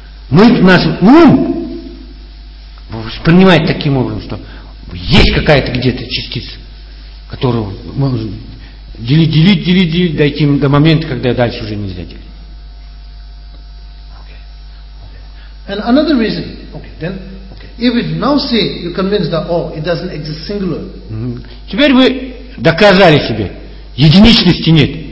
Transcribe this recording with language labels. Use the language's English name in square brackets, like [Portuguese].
[Russian] Мы, наш ум воспринимает таким образом, что есть какая-то где-то частица, которую можно делить, дойти до момента, когда дальше уже нельзя делить. [English] Okay. And another reason, if we now say you convince that all, it doesn't exist singular. [Russian] Теперь вы доказали себе, единичности нет.